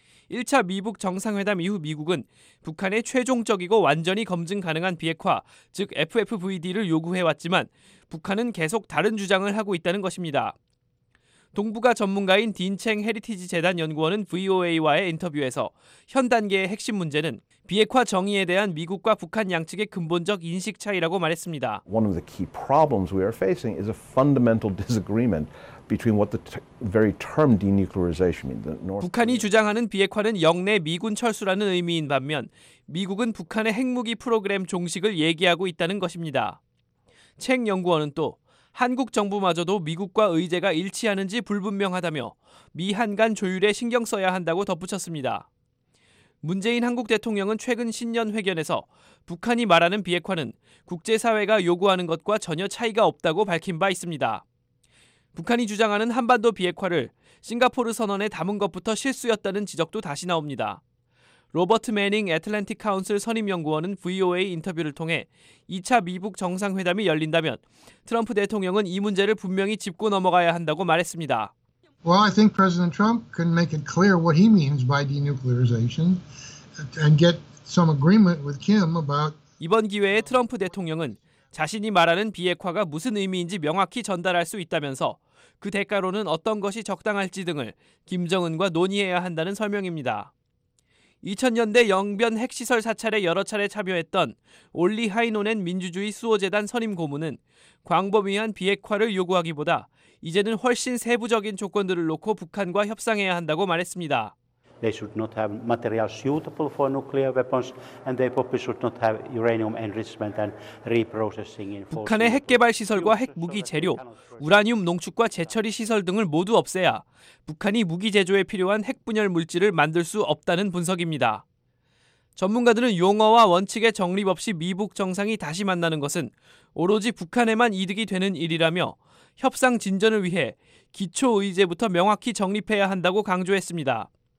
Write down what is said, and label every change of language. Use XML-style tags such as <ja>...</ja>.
<ko>1차 미북 정상회담 이후 미국은 북한의 최종적이고 완전히 검증 가능한 비핵화, 즉 FFVD를 요구해왔지만 북한은 계속 다른 주장을 하고 있다는 것입니다. 동북아 전문가인 딘챙 헤리티지 재단 연구원은 VOA와의 인터뷰에서 현 단계의 핵심 문제는 비핵화 정의에 대한 미국과 북한 양측의 근본적 인식 차이라고 말했습니다.</ko> <en>One of the key problems we are facing is a fundamental disagreement between what the very term denuclearization means.</en> <ko>북한이 주장하는 비핵화는 영내 미군 철수라는 의미인 반면 미국은 북한의 핵무기 프로그램 종식을 얘기하고 있다는 것입니다. 챙 연구원은 또 한국 정부마저도 미국과 의제가 일치하는지 불분명하다며 미한 간 조율에 신경 써야 한다고 덧붙였습니다. 문재인 한국 대통령은 최근 신년 회견에서 북한이 말하는 비핵화는 국제사회가 요구하는 것과 전혀 차이가 없다고 밝힌 바 있습니다. 북한이 주장하는 한반도 비핵화를 싱가포르 선언에 담은 것부터 실수였다는 지적도 다시 나옵니다. 로버트 매닝 애틀랜틱 카운슬 선임연구원은 VOA 인터뷰를 통해 2차 미북 정상회담이 열린다면 트럼프 대통령은 이 문제를 분명히 짚고 넘어가야 한다고 말했습니다.</ko> <en>Well, I think President Trump can make it clear what he means by denuclearization and get some agreement with Kim about</en> <ko>이번 기회에 트럼프 대통령은 자신이 말하는 비핵화가 무슨 의미인지 명확히 전달할 수 있다면서 그 대가로는 어떤 것이 적당할지 등을 김정은과 논의해야 한다는 설명입니다. 2000년대 영변 핵시설 사찰에 여러 차례 참여했던 올리 하이노넨 민주주의 수호재단 선임 고문은 광범위한 비핵화를 요구하기보다 이제는 훨씬 세부적인 조건들을 놓고 북한과 협상해야 한다고 말했습니다.</ko> <en>They should not have material suitable for nuclear weapons, and they probably should not have uranium enrichment and reprocessing.</en> <ko>북한의 핵 개발 시설과 핵 무기 재료, 우라늄 농축과 재처리 시설 등을 모두 없애야 북한이 무기 제조에 필요한 핵 분열 물질을 만들 수 없다는 분석입니다. 전문가들은 용어와 원칙의 정립 없이 미북 정상이 다시 만나는 것은 오로지 북한에만 이득이 되는 일이라며 협상 진전을 위해 기초 의제부터 명확히 정립해야 한다고 강조했습니다.</ko>